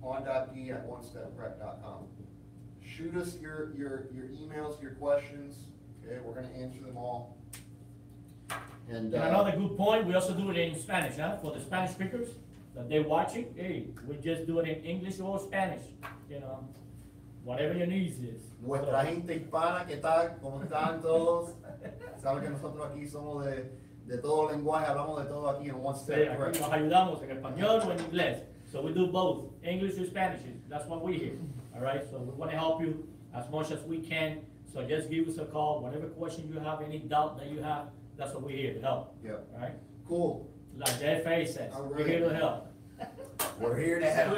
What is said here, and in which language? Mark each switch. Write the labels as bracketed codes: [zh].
[en] Juan.d@onestepprep.com. Shoot us your emails, your questions. Okay, we're going to answer them all. And another good point, we also do it in Spanish, huh? For the Spanish speakers that they're watching, hey, we just do it in English or Spanish, you know, whatever your needs is. [es] Nuestra gente hispana, ¿qué tal? ¿Cómo están todos? Sabes que nosotros aquí somos de todo lenguaje, hablamos de todo aquí en One Step. Sí, aquí nos ayudamos en español o en inglés. [en] So we do both, English or Spanish. That's what we hear, all right? So we want to help you as much as we can. So just give us a call, whatever question you have, any doubt that you have. That's what we're here to help. Yeah. Right? Cool. Like Jay Faye says, we're here to help. We're here to help.